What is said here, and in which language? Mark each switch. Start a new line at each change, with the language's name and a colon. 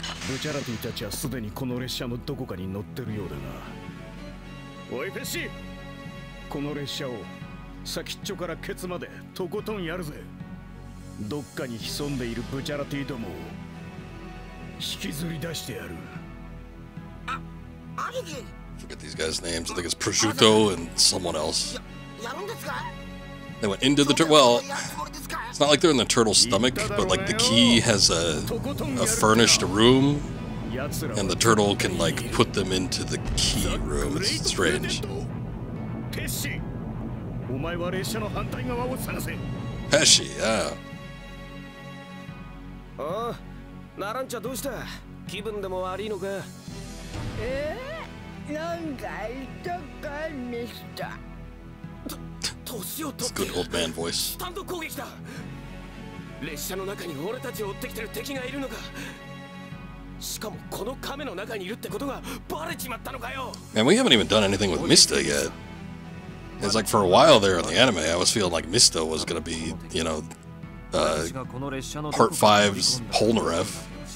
Japanese: ブチャラティたちはすでにこの列車のどこかに乗ってるようだな。おいフェッシー、この列車を先っちょからケツまでとことんやるぜ。どっかに潜んでいるブチャラティどもを引きずり出してやる。あ、兄貴。
English: Forget these guys' names. I think it's Prosciutto and someone else.
Japanese: やるんですか？
English: They went into the well. It's not like they're in the turtle's stomach, but like the key has a furnished room, and the turtle can like put them into the key room. It's strange. Pesci, yeah.
Japanese: Oh, Narancha, どうした？気分でも悪いのか？なんか痛かねえした。
English: It's a good old man voice.
Japanese: スタンド攻撃だ。列車の中に俺たちを追ってきてる敵がいるのか。しかもこの亀の中にいるってことがバレちまったのかよ。
English: And we haven't even done anything with Mista yet. It's like for a while there in the anime, I was feeling like Mista was gonna be, you know, Part 5's Polnareff.